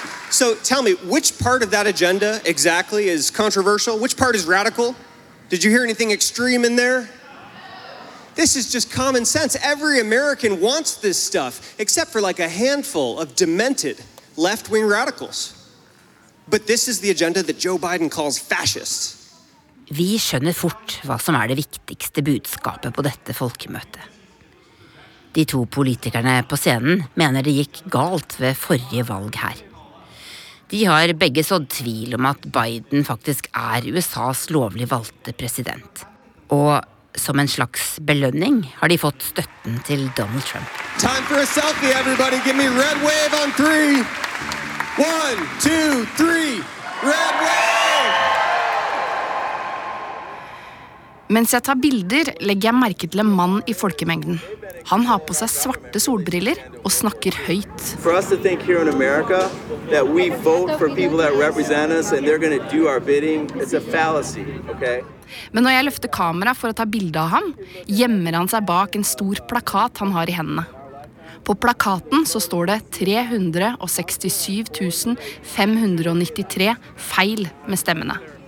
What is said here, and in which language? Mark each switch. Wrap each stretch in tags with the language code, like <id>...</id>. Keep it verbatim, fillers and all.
<en>So tell me, which part of that agenda exactly is controversial? Which part is radical? Did you hear anything extreme in there? This is just common sense. Every American wants this stuff, except for like a handful of demented left-wing radicals. But this is the agenda that Joe Biden calls fascists.</en> <no>Vi skjønner fort hva som er det viktigste budskapet på dette folkemøtet. De to politikerne på scenen mener det gikk galt ved forrige valg her. De har begge sådd tvil om at Biden faktisk er U S A's lovlig valgte president. Og som en slags belønning har de fått støtten til Donald Trump.</no> <en>Time for a selfie, everybody. Give me red wave on three. One, two, three. Red wave!</en> <no>Mens jeg tar bilder, legger jeg merke til en mann I folkemengden. Han har på seg svarte solbriller og snakker høyt.</no> <en>For us to think here in America that we vote for people that represent us and they're going to do our bidding, it's a fallacy, okay?</en> <no>Men når jeg løfter kamera for å ta bilde av ham, gjemmer han seg bak en stor plakat han har I hendene. På plakaten så står det tre hundre og sekstisju tusen fem hundre og nittitre feil med stemmene.</no>